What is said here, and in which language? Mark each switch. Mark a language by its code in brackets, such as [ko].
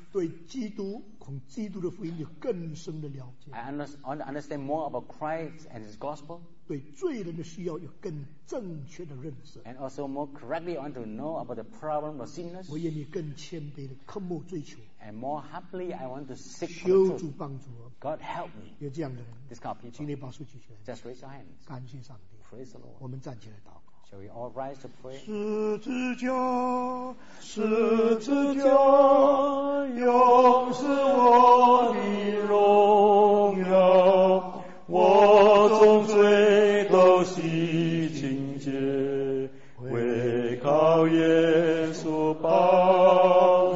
[zh] 对基督, 从基督的福音有更深的了解, [en] I want to understand more about Christ and His gospel, [zh] 对罪人的需要有更正确的认识, [en] and also more correctly want to know about the problem of sinners, [zh] 我愿意更谦卑地渴慕追求, [en] and more happily I want to seek the truth. [zh] 求主帮助我, [en] God help me. [zh] 有这样的人, [en] this kind of people, [zh] 请你把手举起来, [en] just raise your hands. [zh] 感谢上帝, [en] praise the Lord. [zh] 我们站起来祷告, [en] shall we all rise to pray? [zh] 十字架, 十字架, 永是我的荣耀, 我终最都洗净洁, 为靠耶稣宝